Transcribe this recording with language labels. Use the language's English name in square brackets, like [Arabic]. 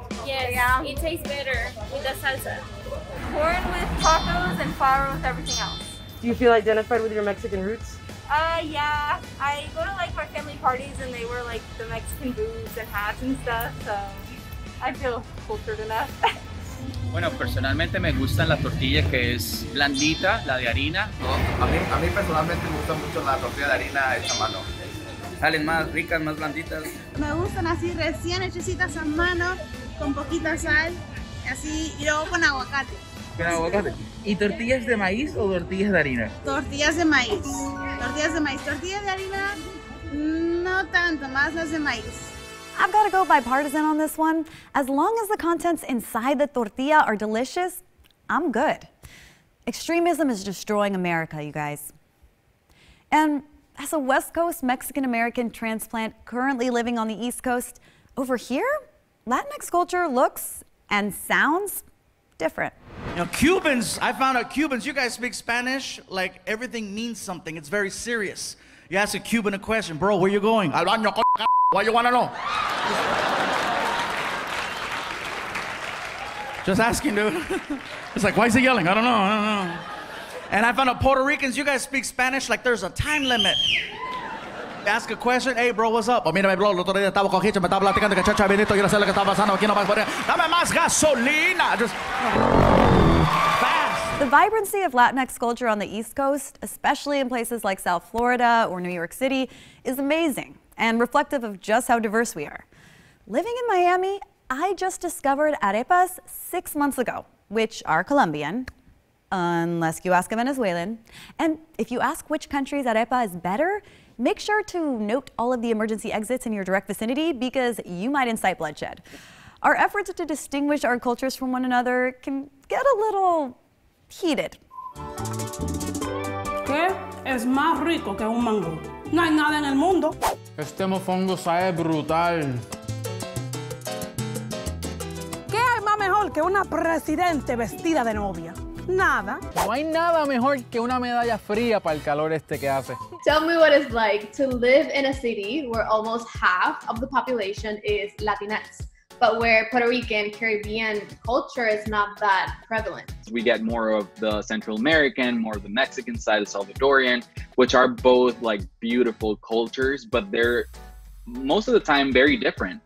[English] Yes, yeah. It tastes better with the salsa. Corn with tacos and flour with everything else. Do you feel identified with your Mexican roots? Yeah. I go to like my family parties and they wear like the Mexican boots and hats and stuff, so I feel cultured enough. [Spanish] Bueno, personalmente me gustan las tortillas que es blandita, la de harina. A mí personalmente me gusta mucho la tortilla de harina hecha a mano. Salen más ricas, más blanditas. Me gustan así recién hechecitas a mano, con poquita sal, así, y luego con aguacate. ¿Con aguacate? ¿Y tortillas de maíz o tortillas de harina? Tortillas de maíz. Tortillas de harina, no tanto, más las de maíz. [English] I've got to go bipartisan on this one. As long as the contents inside the tortilla are delicious, I'm good. Extremism is destroying America, you guys. And as a West Coast Mexican-American transplant currently living on the East Coast, over here, Latinx culture looks and sounds different. You know, Cubans, I found out Cubans, you guys speak Spanish, like everything means something. It's very serious. You ask a Cuban a question, bro, where you going? [Spanish] Al baño, [English] what you wanna know? Just asking, dude. It's like, why is he yelling? I don't know. And I found out Puerto Ricans, you guys speak Spanish like there's a time limit. Ask a question, hey bro, what's up? [Spanish] Mira, bro, el otro día estaba cogiendo, me estaba platicando que chacha Benito, quiero saber lo que estaba pasando aquí, no más por ahí. Dame más gasolina. [English] Just fast. The vibrancy of Latinx culture on the East Coast, especially in places like South Florida or New York City, is amazing and reflective of just how diverse we are. Living in Miami, I just discovered arepas 6 months ago, which are Colombian. Unless you ask a Venezuelan. And if you ask which country's arepa is better, make sure to note all of the emergency exits in your direct vicinity because you might incite bloodshed. Our efforts to distinguish our cultures from one another can get a little heated. [Spanish] ¿Qué es más rico que un mango? No hay nada en el mundo. Este mofongo sabe brutal. ¿Qué hay más mejor que una presidente vestida de novia? Nada. No hay nada mejor que una medalla fría para el calor este que hace. [English] Tell me what it's like to live in a city where almost half of the population is Latinx, but where Puerto Rican, Caribbean culture is not that prevalent. We get more of the Central American, more of the Mexican side, the Salvadorian, which are both like beautiful cultures, but they're most of the time very different.